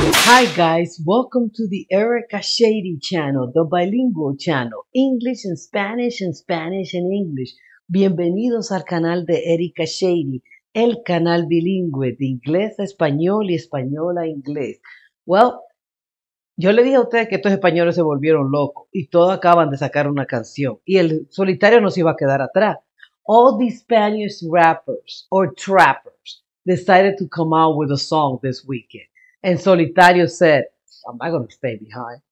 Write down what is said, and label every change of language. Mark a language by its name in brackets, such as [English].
[English] Hi guys, welcome to the Erica Shady channel, the bilingual channel, English and Spanish and English. [Spanish] Bienvenidos al canal de Erica Shady, el canal bilingüe de inglés a español y español a inglés. Well, yo le dije a ustedes que estos españoles se volvieron locos y todos acaban de sacar una canción y el solitario nos iba a quedar atrás. [English] All the Spanish rappers or trappers decided to come out with a song this weekend. And Solitario said, I'm not going to stay behind.